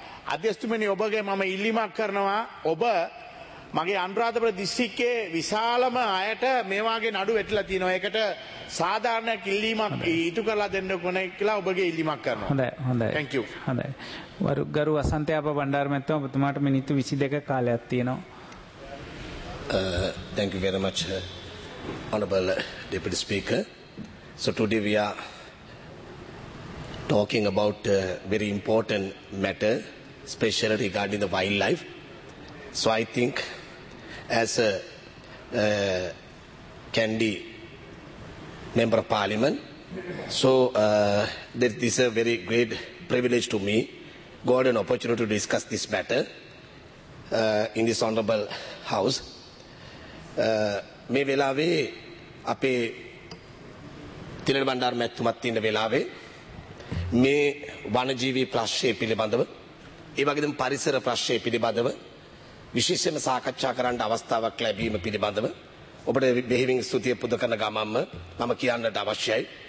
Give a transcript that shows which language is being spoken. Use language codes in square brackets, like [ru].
[si] අධ්‍යක්ෂතුමනි, ඔබගේ මම ඉල්ලීමක් කරනවා. ඔබ මගේ අනුරාධපුර දිස්ත්‍රික්කයේ විශාලම අයට මේ වාගේ නඩු වැටිලා තියෙනවා. ඒකට සාධාරණ ඉල්ලීමක් ඉටු කරලා දෙන්න ඕනේ කියලා ඔබගේ ඉල්ලීමක් කරනවා. හොඳයි හොඳයි. [en] Thank you. [si] හොඳයි. ගරු අසන්තයාප බණ්ඩාර මහත්තයා, ඔබතුමාට මිනිත්තු 22 කාලයක් තියෙනවා. [en] Thank you very much, honorable deputy speaker. So today we are talking about a very important matter, especially regarding the wildlife. So I think as a candy Member of Parliament. So this is a very great privilege to me, got an opportunity to discuss this matter in this Honorable House. [si] මේ වෙලාවේ අපේ තිලක බණ්ඩාර මහත්මත් ඉන්න වෙලාවේ මේ වනජීවී ප්‍රශ්නය පිළිබඳව ඒ වගේම පරිසර ප්‍රශ්නය පිළිබඳව විශේෂයෙන්ම සාකච්ඡා කරන්න අවස්ථාවක් ලැබීම පිළිබඳව ඔබට බෙහෙවින් ස්තුතිය පුද කරන ගමන්ම මම කියන්නට අවශ්‍යයි.